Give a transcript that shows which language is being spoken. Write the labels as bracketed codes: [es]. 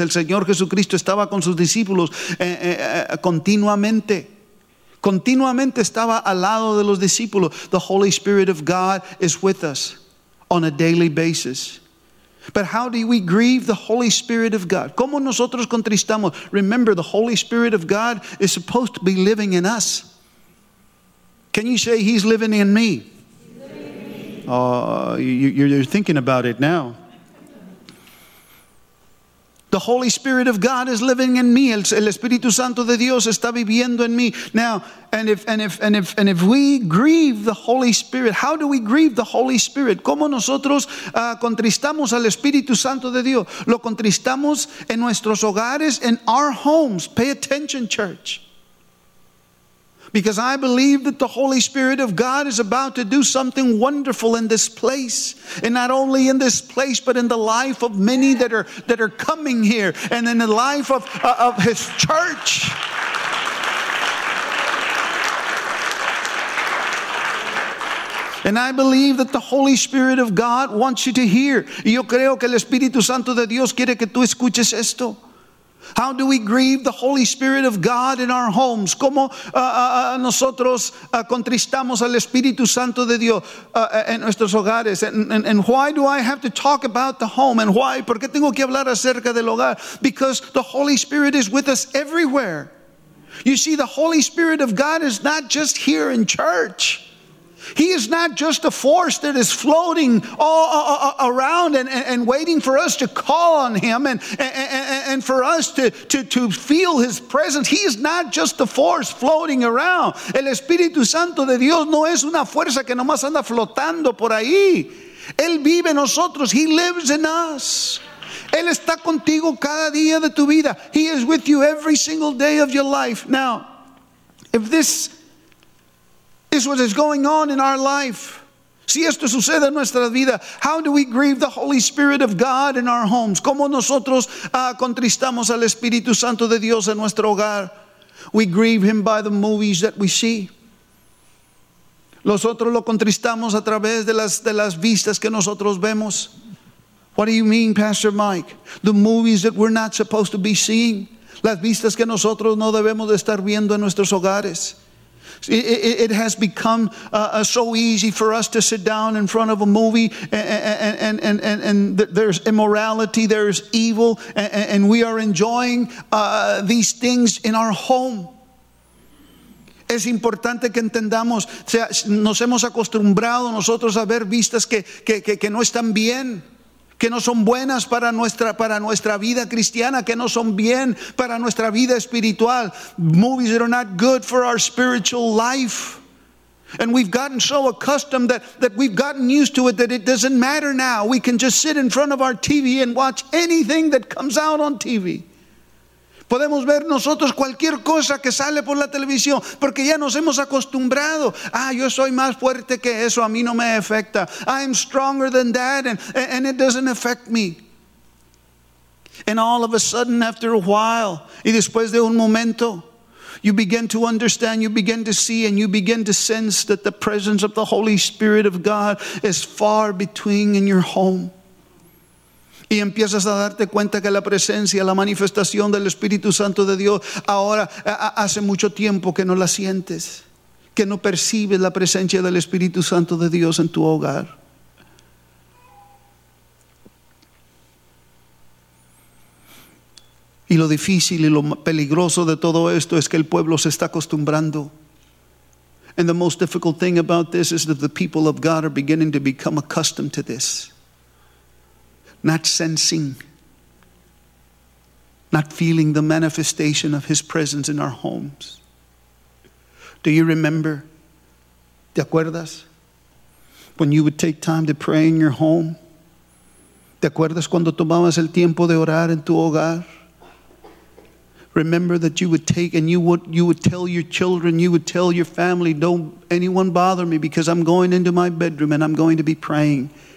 [es] El Señor Jesucristo estaba con sus discípulos continuamente. Continuamente estaba al lado de los discípulos. [en] The Holy Spirit of God is with us on a daily basis. But how do we grieve the Holy Spirit of God? [es] ¿Cómo nosotros contristamos? [en] Remember, the Holy Spirit of God is supposed to be living in us. Can you say he's living in me? You're thinking about it now. The Holy Spirit of God is living in me. [es] El Espíritu Santo de Dios está viviendo en mí. [en] Now, and if we grieve the Holy Spirit, how do we grieve the Holy Spirit? [es] ¿Cómo nosotros contristamos al Espíritu Santo de Dios? Lo contristamos en nuestros hogares, [en] in our homes. Pay attention, church. Because I believe that the Holy Spirit of God is about to do something wonderful in this place. And not only in this place, but in the life of many that are coming here. And in the life of His church. And I believe that the Holy Spirit of God wants you to hear. [es] Y yo creo que el Espíritu Santo de Dios quiere que tú escuches esto. [en] How do we grieve the Holy Spirit of God in our homes? [es] ¿Cómo nosotros contristamos al Espíritu Santo de Dios en nuestros hogares? [en] And why do I have to talk about the home? And why? [es] ¿Por qué tengo que hablar acerca del hogar? [en] Because the Holy Spirit is with us everywhere. You see, the Holy Spirit of God is not just here in church. He is not just a force that is floating all around and waiting for us to call on Him and for us to feel His presence. He is not just a force floating around. [es] El Espíritu Santo de Dios no es una fuerza que nomás anda flotando por ahí. Él vive en nosotros. [en] He lives in us. [es] Él está contigo cada día de tu vida. [en] He is with you every single day of your life. Now, if this is what is going on in our life, [es] si esto sucede en nuestra vida, [en] how do we grieve the Holy Spirit of God in our homes? [es] ¿Cómo nosotros contristamos al Espíritu Santo de Dios en nuestro hogar? [en] We grieve Him by the movies that we see. [es] Nosotros lo contristamos a través de las vistas que nosotros vemos. [en] What do you mean, Pastor Mike? The movies that we're not supposed to be seeing. [es] Las vistas que nosotros no debemos de estar viendo en nuestros hogares. [en] It has become so easy for us to sit down in front of a movie and there's immorality, there's evil, and we are enjoying these things in our home. [es] Es importante que entendamos, o sea, nos hemos acostumbrado nosotros a ver vistas que no están bien, que no son buenas para nuestra vida cristiana, que no son bien para nuestra vida espiritual. [en] Movies that are not good for our spiritual life. And we've gotten so accustomed that we've gotten used to it that it doesn't matter now. We can just sit in front of our TV and watch anything that comes out on TV. [es] Podemos ver nosotros cualquier cosa que sale por la televisión porque ya nos hemos acostumbrado. Ah, yo soy más fuerte que eso, a mí no me afecta. [en] I'm stronger than that and it doesn't affect me. And all of a sudden, after a while, [es] y después de un momento, [en] you begin to understand, you begin to see, and you begin to sense that the presence of the Holy Spirit of God is far between in your home. [es] Y empiezas a darte cuenta que la presencia, la manifestación del Espíritu Santo de Dios, ahora hace mucho tiempo que no la sientes, que no percibes la presencia del Espíritu Santo de Dios en tu hogar. Y lo difícil y lo peligroso de todo esto es que el pueblo se está acostumbrando. [en] And the most difficult thing about this is that the people of God are beginning to become accustomed to this. Not sensing, not feeling the manifestation of His presence in our homes. Do you remember? [es] ¿Te acuerdas? [en] When you would take time to pray in your home. [es] ¿Te acuerdas cuando tomabas el tiempo de orar en tu hogar? [en] Remember that you would take and you would tell your children, you would tell your family, don't anyone bother me because I'm going into my bedroom and I'm going to be praying.